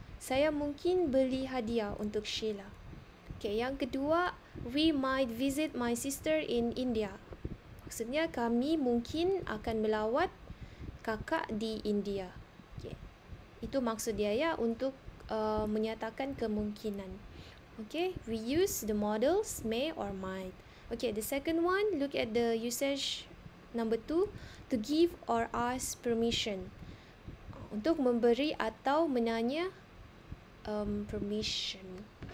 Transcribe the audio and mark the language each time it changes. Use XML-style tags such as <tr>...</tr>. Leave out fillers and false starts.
<ms>Saya mungkin beli hadiah untuk Sheila. Okay, yang kedua,</ms> <en>we might visit my sister in India.</en> <ms>Maksudnya kami mungkin akan melawat kakak di India. Okay. Itu maksud dia ya, untuk menyatakan kemungkinan.</ms> <en>Okay, we use the models may or might. Okay, the second one, look at the usage number two, to give or ask permission.</en> <ms>Untuk memberi atau menanya permission.</ms>